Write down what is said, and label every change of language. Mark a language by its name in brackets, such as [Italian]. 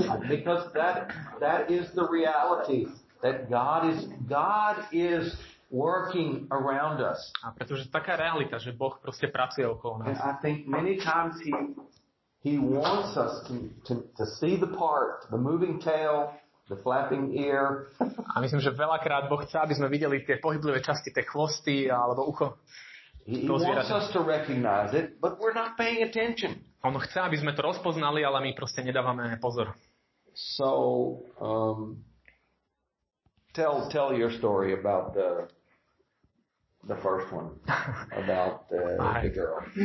[English] Because that is the reality that God is working around us. [Slovak] A pretože taká realita, že Boh proste pracuje okolo nás. [English] And I think many times he wants us to see the part, the moving tail, the flapping ear. [Slovak] A myslím, že veľakrát Boh chce, aby sme videli tie pohyblivé časti, tie chvosty alebo ucho. [English] He wants us to recognize it, but we're not paying attention. [Slovak] On chce, aby sme to rozpoznali, ale my proste nedávame pozor. [English] So tell your story about the first one about the girl.